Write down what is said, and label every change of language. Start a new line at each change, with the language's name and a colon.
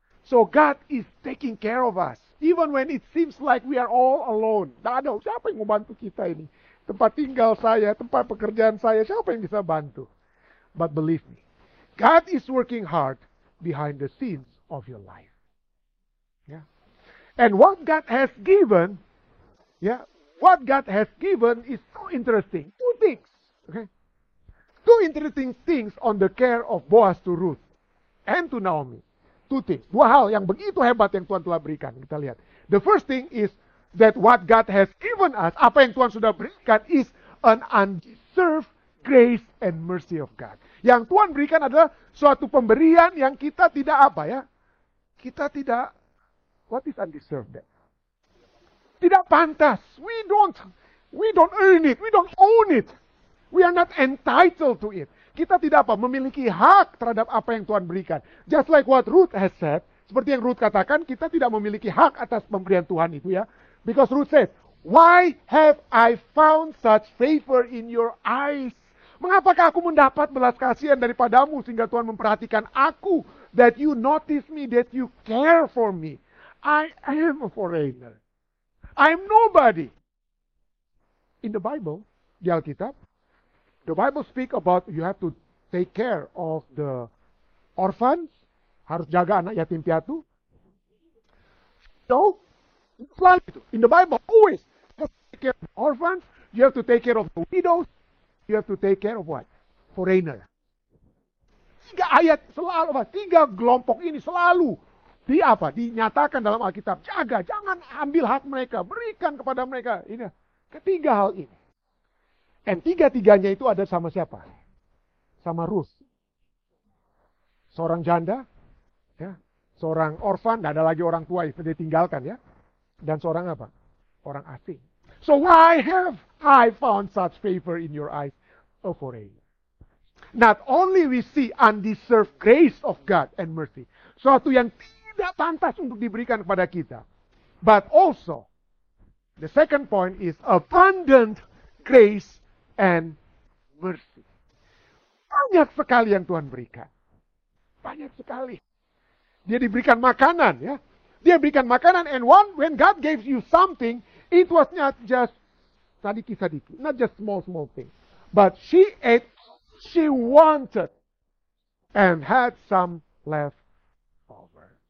English: So God is taking care of us. Even when it seems like we are all alone.
Indonesian: Tidak ada, siapa yang mau bantu kita ini? Tempat tinggal saya, tempat pekerjaan saya, siapa yang bisa bantu?
English: But believe me, God is working hard behind the scenes of your life. Yeah. And what God has given, yeah, what God has given is so interesting. Two things, okay? Two interesting things on the care of Boaz to Ruth and to Naomi. Two things.
Indonesian: Dua hal yang begitu hebat yang Tuhan telah berikan. Kita lihat.
English: The first thing is that what God has given us,
Indonesian: apa yang Tuhan sudah berikan,
English: is an undeserved grace and mercy of God.
Indonesian: Yang Tuhan berikan adalah suatu pemberian yang kita tidak apa ya? Kita tidak,
English: what is undeserved?
Indonesian: Tidak pantas.
English: We don't earn it. We don't own it. We are not entitled to it.
Indonesian: Kita tidak apa, memiliki hak terhadap apa yang Tuhan berikan.
English: Just like what Ruth has said,
Indonesian: seperti yang Ruth katakan, kita tidak memiliki hak atas pemberian Tuhan itu ya.
English: Because Ruth said, why have I found such favor in your eyes?
Indonesian: Mengapakah aku mendapat belas kasihan daripadamu sehingga Tuhan memperhatikan aku?
English: That you notice me, that you care for me. I am a foreigner. I am nobody. In the Bible,
Indonesian: di Alkitab,
English: the Bible speak about you have to take care of the orphans.
Indonesian: Harus jaga anak yatim piatu. So, selalu itu.
English: In the Bible, always. You have to take care of orphans. You have to take care of the widows. You have to take care of what? Foreigner.
Indonesian: Tiga ayat selalu, tiga kelompok ini selalu di apa? Dinyatakan dalam Alkitab. Jaga, jangan ambil hak mereka. Berikan kepada mereka. Ini ketiga hal ini. Dan tiga-tiganya itu ada sama siapa? Sama Ruth. Seorang janda, ya, seorang orfan, tidak ada lagi orang tua yang ditinggalkan, ya. Dan seorang apa? Orang asing.
English: So why have I found such favor in your eyes? A foreigner. Not only we see undeserved grace of God and mercy.
Indonesian: Suatu yang tidak pantas untuk diberikan kepada kita.
English: But also, the second point is abundant grace and mercy.
Indonesian: Banyak sekali yang Tuhan berikan. Banyak sekali. Dia diberikan makanan, ya. Dia berikan makanan,
English: and one, when God gave you something, it was not just sadiki-sadiki, not just small thing. But she ate, she wanted, and had some left over.